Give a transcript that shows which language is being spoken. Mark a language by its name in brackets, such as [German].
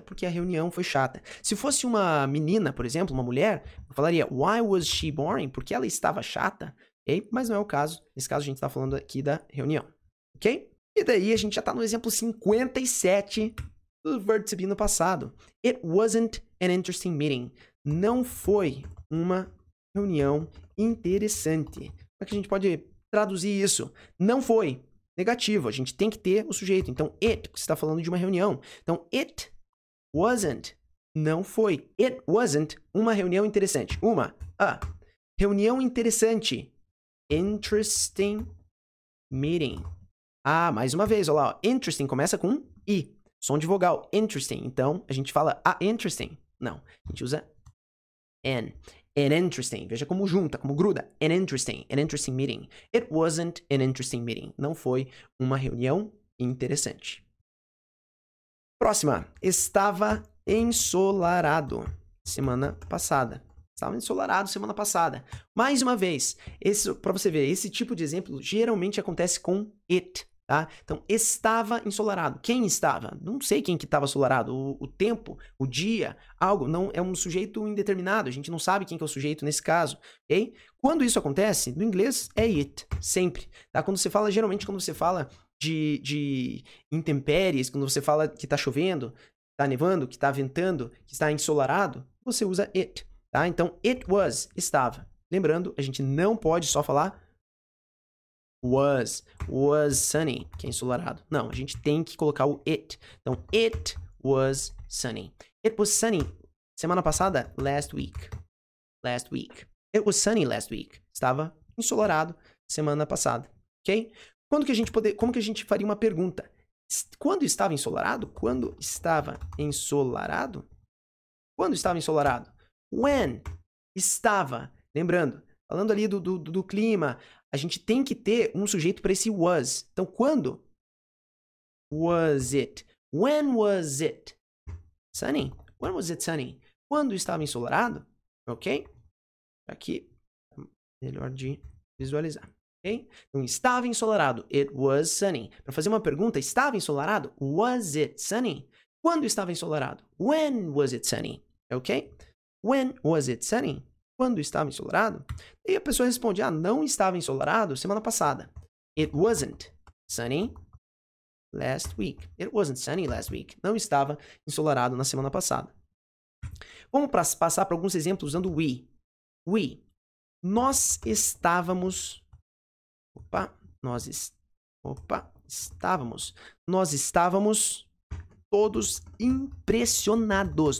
[Portuguese] Porque a reunião foi chata. Se fosse uma menina, por exemplo, uma mulher, eu falaria [English] why was she boring? [Portuguese] Porque ela estava chata. Okay? Mas não é o caso. Nesse caso, a gente está falando aqui da reunião. Ok? E daí a gente já está no exemplo 57 do verbo to be no passado. [English] It wasn't an interesting meeting. [Portuguese] Não foi uma reunião interessante. Como é que a gente pode traduzir isso? Não foi. Negativo. A gente tem que ter o sujeito. Então, it, você está falando de uma reunião. Então, [English] it wasn't. [Portuguese] Não foi. [English] It wasn't [Portuguese] uma reunião interessante. Uma. A. Reunião interessante. Interesting meeting. Ah, mais uma vez, olha lá. Ó. Interesting começa com I. Som de vogal. Interesting. Então, a gente fala [English] a interesting. [Portuguese] Não. A gente usa [English] an interesting. [Portuguese] Veja como junta, como gruda. [English] An interesting meeting. It wasn't an interesting meeting. [Portuguese] Não foi uma reunião interessante. Próxima. Estava ensolarado semana passada. Estava ensolarado semana passada. Mais uma vez, para você ver, esse tipo de exemplo geralmente acontece com it, tá? Então, estava ensolarado. Quem estava? Não sei quem que estava ensolarado. O tempo, o dia, algo. Não, é um sujeito indeterminado. A gente não sabe quem que é o sujeito nesse caso, ok? Quando isso acontece, no inglês, é it, sempre, tá? Quando você fala, geralmente, quando você fala de intempéries, quando você fala que está chovendo, está nevando, que está ventando, que está ensolarado, você usa it. Tá? Então, it was, estava. Lembrando, a gente não pode só falar [English] was sunny, [Portuguese] que é ensolarado. Não, a gente tem que colocar o it. Então, [English] it was sunny. It was sunny, [Portuguese] semana passada, [English] last week. Last week. It was sunny last week. [Portuguese] Estava ensolarado semana passada. Ok? Como que a gente faria uma pergunta? Quando estava ensolarado? Quando estava ensolarado? Quando estava ensolarado? When estava, lembrando, falando ali do clima, a gente tem que ter um sujeito para esse was. Então, quando? [English] Was it? When was it sunny? When was it sunny? [Portuguese] Quando estava ensolarado? Ok? Aqui, melhor de visualizar. Ok? Então, estava ensolarado. [English] It was sunny. [Portuguese] Para fazer uma pergunta, estava ensolarado? [English] Was it sunny? [Portuguese] Quando estava ensolarado? [English] When was it sunny? Ok? When was it sunny? [Portuguese] Quando estava ensolarado? E a pessoa responde: ah, não estava ensolarado semana passada. [English] It wasn't sunny last week. It wasn't sunny last week. [Portuguese] Não estava ensolarado na semana passada. Vamos passar para alguns exemplos usando we. We. Nós estávamos. Opa. Opa. Estávamos. Nós estávamos todos impressionados.